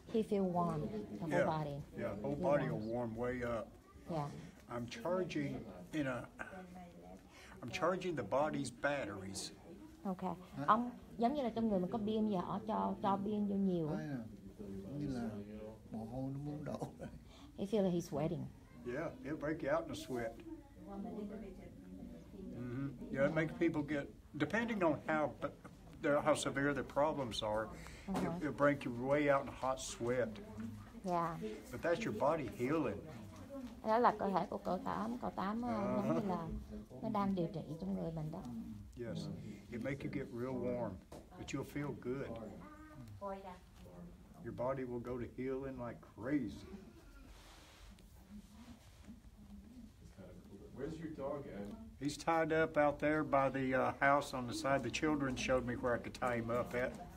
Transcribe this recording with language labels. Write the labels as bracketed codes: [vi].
[en] He feel warm, the whole body. Yeah, whole body will warm way up. Yeah. I'm charging the body's batteries. Okay. Huh? [vi] Ông giống như là trong người mình có pin vậy, cho pin vô nhiều. Như là mồ hôi nó muốn đổ. [en] He feels like he's sweating. Yeah, it'll break you out in a sweat. Mm-hmm. Yeah, it makes people get, depending on how severe their problems are, uh-huh, it'll break you way out in a hot sweat. Yeah. But that's your body healing. [vi] Đó là cơ thể của cậu tám giống như là nó đang điều trị trong người mình đó. [en] Yes, it makes you get real warm, but you'll feel good. Your body will go to healing like crazy. Where's your dog at? He's tied up out there by the house on the side. The children showed me where I could tie him up at.